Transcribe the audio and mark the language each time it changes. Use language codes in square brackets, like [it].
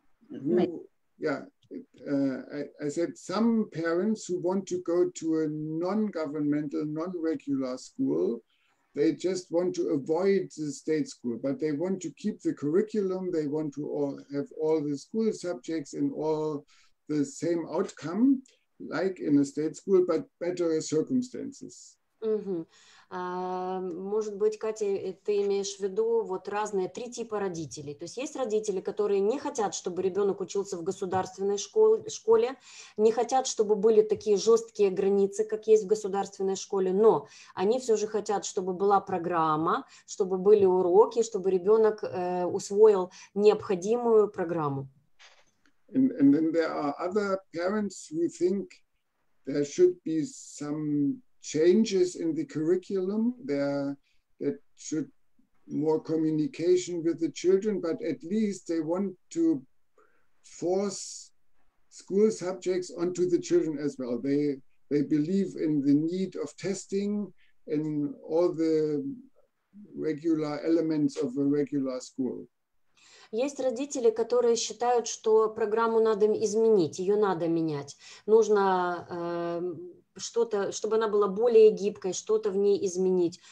[en] who, I said some parents who want to go to a non-governmental, non-regular school, they just want to avoid the state school, but they want to keep the curriculum, they want to all have all the school subjects and all the same outcome, like in a state school, but better circumstances. [ru] Может быть, Катя, ты имеешь в виду вот разные три типа родителей. То есть есть родители, которые не хотят, чтобы ребенок учился в государственной школе, не хотят, чтобы были такие жесткие границы, как есть в государственной школе, но они все же хотят, чтобы была программа, чтобы были уроки, чтобы ребенок усвоил необходимую программу. [en] And then there are other parents who think there should be some changes in the curriculum, that should more communication with the children, but at least they want to force school subjects onto the children as well. They believe in the need of testing and all the regular elements of a regular school. [ru] Есть родители, которые считают, что программу надо изменить, ее надо менять. Нужно что-то, чтобы она была более гибкой, что-то в ней изменить.